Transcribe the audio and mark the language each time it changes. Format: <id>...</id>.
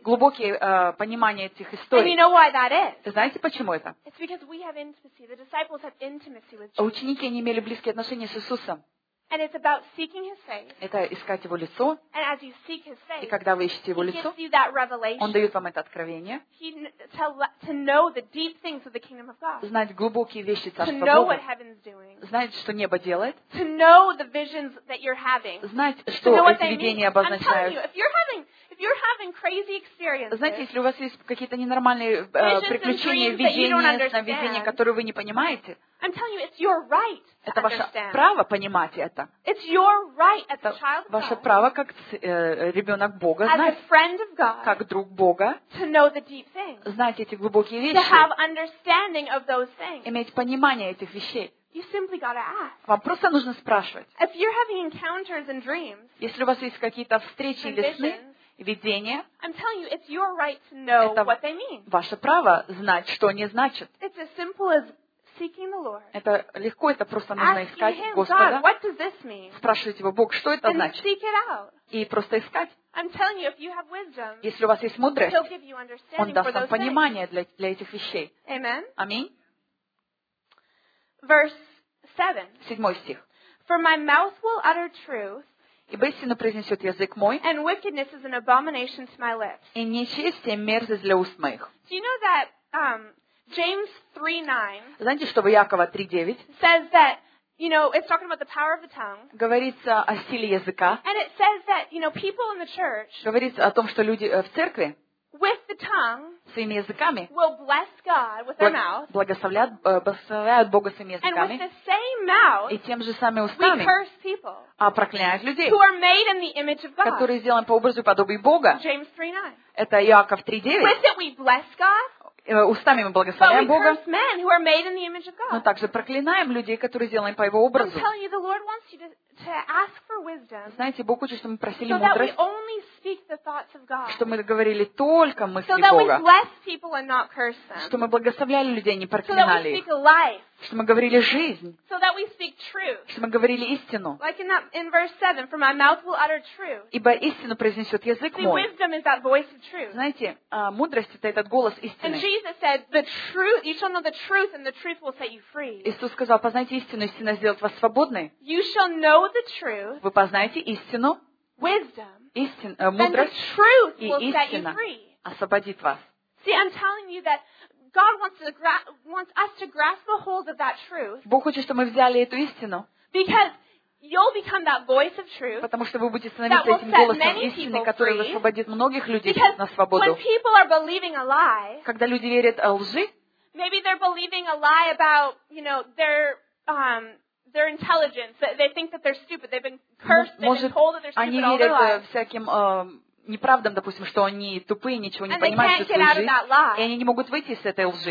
<ru>Глубокие понимания этих историй.</ru> <en>And you know why that is?</en> <ru>Знаете почему это?</ru> <en>It's because we have intimacy. The disciples have intimacy with Jesus.</en> <ru>Ученики не имели близкие отношения с Иисусом.</ru> <en>And it's about seeking his face.</en> <ru>Это искать его лицо.</ru> <en>And as you seek his face.</en> <ru>И когда вы ищете его лицо.</ru> <en>He gives you that revelation.</en> <ru>Он даёт вам это откровение.</ru> <en>To know the deep things of the kingdom of God.</en> <ru>Знать глубокие вещи Царства Бога.</ru> <en>To know what heaven's doing.</en> <ru>Знать, что небо делает.</ru> <en>To know the visions that you're having.</en> <ru>Знать, что эти видения обозначают.</ru> <en>I'm telling you, if you're having crazy experiences.</en> <ru>Знаете, если у вас есть какие-то ненормальные приключения, видения, сновидения, которые вы не понимаете.</ru> <en>I'm telling you, it's your right.</en> <ru>Это ваше право понимать это.</ru> <en>It's your right as a child of God.</en> <ru>Ваше право как ребёнок Бога знать.</ru> <en>As a friend of God.</en> <ru>Как друг Бога.</ru> <en>To know the deep things.</en> <ru>Знать эти глубокие вещи.</ru> <en>To have understanding of those things.</en> <ru>Иметь понимание этих вещей.</ru> <en>You simply got to ask.</en> <ru>Вам просто нужно спрашивать.</ru> <en>If you're having encounters and dreams.</en> <ru>Если у вас есть какие-то встречи или сны, видения.</ru> <en>I'm telling you, it's your right to know what they mean.</en> <ru>Ваше право знать, что они значат.</ru> <en>It's as simple as seeking the Lord.</en> <ru>Это легко, это просто нужно искать Господа.</ru> <en>God, what does this mean?</en> <ru>Спрашивать его, Бог, что это значит?</ru> <en>Seek it out.</en> <ru>И просто искать.</ru> <en>I'm telling you, if you have wisdom,</en> <ru>если у вас есть мудрость,</ru> <en>he'll give you understanding</en> <ru>он даст</ru> <en>for those</en> <ru>вам понимание</ru> <en>things.</en> <ru>Для этих вещей.</ru> <en>Amen.</en> <ru>Аминь.</ru> <en>Verse 7.</en> <ru>Седьмой стих.</ru> <en>For my mouth will utter truth,</en> <ru>ибо истину произнесет язык мой,</ru> <en>and wickedness is an abomination to my lips.</en> <ru>И нечестие мерзость для уст моих.</ru> <en>Do you know that James 3:9.</en> <ru>Знаете, что в Иакова 3:9?</ru> <en>Says that, you know, it's talking about the power of the tongue.</en> <ru>Говорится о силе языка.</ru> <en>And it says that, you know, people in the church.</en> <ru>Говорится о том, что люди в церкви.</ru> <en>with the tongue,</en> <ru>своими языками,</ru> <en>will bless God with our mouth,</en> <ru>благословляют Бога своими языками,</ru> <en>and with the same mouth,</en> <ru>и тем же самыми устами,</ru> <en>we curse people,</en> <ru>а проклинают людей,</ru> <en>who are made in the image of God,</en> <ru>которые сделаны по образу и подобию Бога.</ru> <en>James 3:9.</en> <ru>Это Иаков 3:9.</ru> <en>With it we bless God.</en> <ru>Устами мы благословляем Бога.</ru> <en>Men who are made in the image of God.</en> <ru>Но также проклинаем людей, которые сделаны по Его образу.</ru> <en>You, the Lord wants you to ask for wisdom,</en> <ru>знаете, Бог хочет, чтобы мы просили</ru> <en>so</en> <ru>мудрость,</ru> <en>that we only speak the thoughts of God,</en> <ru>чтобы мы говорили только мысли</ru> <en>so that</en> <ru>Бога,</ru> <en>we bless people and not curse them,</en> <ru>чтобы мы благословляли людей, не проклинали</ru> <en>so that we speak life,</en> <ru>чтобы мы говорили жизнь,</ru> <en>so that we speak truth,</en> <ru>чтобы мы говорили истину.</ru> <en>Like in verse 7, for my mouth will utter truth.</en> <ru>Ибо истину произнесет язык</ru> <en>See,</en> <ru>мой.</ru> <en>Wisdom is that voice of truth.</en> <ru>Знаете, мудрость — это этот голос истины.</ru> <en>Jesus said, "The truth. You shall know the truth, and the truth will set you free."</en> <ru>Иисус сказал, познайте истину, истина сделает вас свободны.</ru> <en>You shall know the truth.</en> <ru>Вы познаете истину.</ru> <en>Wisdom.</en> <ru>Истин, мудрость.</ru> <en>And the truth</en> <ru>и</ru> <en>will set you free.</en> <ru>Освободит вас.</ru> <en>See, I'm telling you that God wants us to grasp a hold of that truth.</en> <ru>Бог хочет, чтобы мы взяли эту истину.</ru> <en>Because you'll become that voice of truth.</en> <ru>Потому что вы будете становиться этим голосом истины, который освободит многих людей на свободу.</ru> <en>When people are believing a lie,</en> <ru>когда люди верят лжи,</ru> <en>maybe they're believing a lie about, you know, their intelligence. They think that they're stupid. They've been cursed.</en> <ru>Может,</ru> <en>they've been told that they're stupid</en> <ru>они верят</ru> <en>all their</en> <ru>всяким неправдам, допустим, что они тупые, ничего не понимают, что это лжи, и они не могут выйти из этой лжи.</ru>